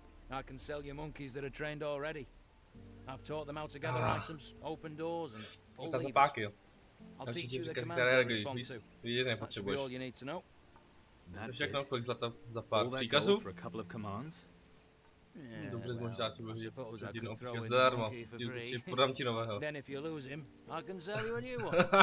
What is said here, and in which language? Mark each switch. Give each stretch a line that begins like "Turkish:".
English: I can sell you monkeys that are trained already. I've taught them how to gather items, open doors and pull levers. I'll teach you the commands they respond to. That should be all you need to know. That's it. All that gold for a couple of commands?
Czech: Dobře, možná ti budu dělat jednu opice zdarma. Podám ti nového.
English: Then if you lose him, I can sell you a new one.